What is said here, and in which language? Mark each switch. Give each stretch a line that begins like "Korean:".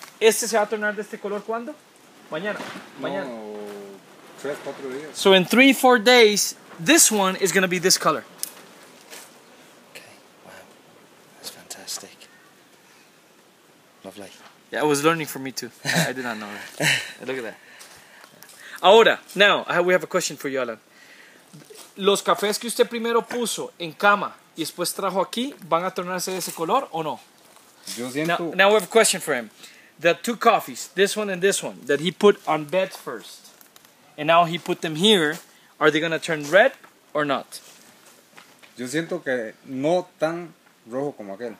Spanish: ¿Este se va a tornar de este color cuándo? Mañana. No, 3-4 días.
English: So in 3-4 days, this one is going to be this color. Lovely. Yeah, I was learning from me too. I did not know that. Look at that. Ahora, now, we have a question for you, Alan.
Spanish: ¿Los cafés que usted primero puso en cama y después trajo aquí van a tornarse de ese color o no? Yo siento...
English: Now we have a question for him. The two coffees, this one and this one, that he put on bed first, and now he put them here, are they going to turn red or not?
Spanish: Yo siento que no tan rojo como aquel.